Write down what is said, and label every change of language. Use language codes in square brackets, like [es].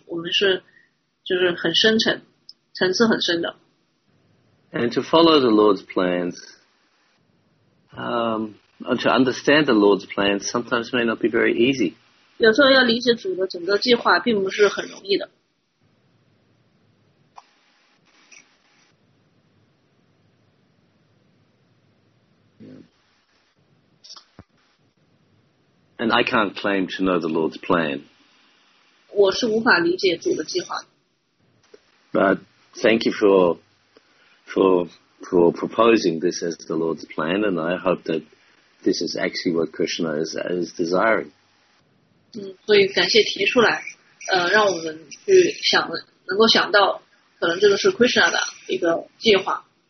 [zh] 我们是就是很深沉，层次很深的。 [en] And to follow the Lord's plans, or to understand the Lord's plans sometimes may not be very easy. [zh] 有时候要理解主的整个计划并不是很容易的。 [en] And I can't claim to know the Lord's plan. [zh] 我是无法理解主的计划。 [en] But thank you for proposing this as the Lord's plan, and I hope that this is actually what Krishna is desiring. [zh] 所以感谢提出来，让我们去想，能够想到，可能这个是 Krishna 的一个计划。